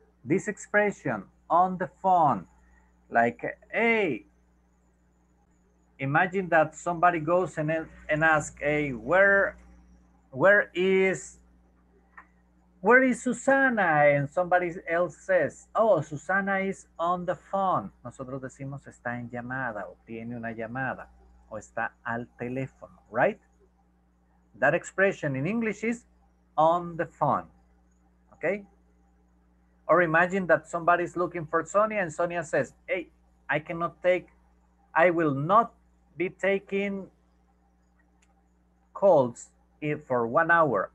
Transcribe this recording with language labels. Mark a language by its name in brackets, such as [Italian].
[English] This expression, on the phone, like, hey, imagine that somebody goes and asks, hey, where is Susana? And somebody else says, oh, Susana is on the phone. [Spanish] Nosotros decimos está en llamada o tiene una llamada o está al teléfono, right? [English] That expression in English is on the phone, okay? Or imagine that somebody is looking for Sonia and Sonia says, hey, I will not be taking calls for 1 hour.